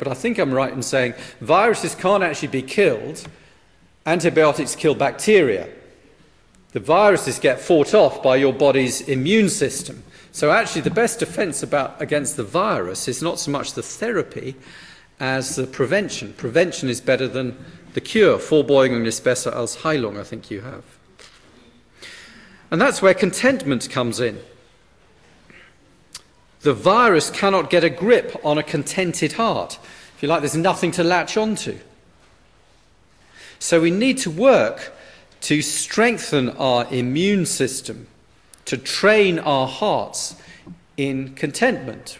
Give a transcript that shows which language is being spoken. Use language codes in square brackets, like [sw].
[en] But I think I'm right in saying viruses can't actually be killed. Antibiotics kill bacteria. The viruses get fought off by your body's immune system. So actually, the best defense against the virus is not so much the therapy as the prevention. Prevention is better than the cure. [de] Vorbeugung ist besser als Heilung, [en] I think you have. And that's where contentment comes in. The virus cannot get a grip on a contented heart. If you like, there's nothing to latch onto. So we need to work to strengthen our immune system, to train our hearts in contentment.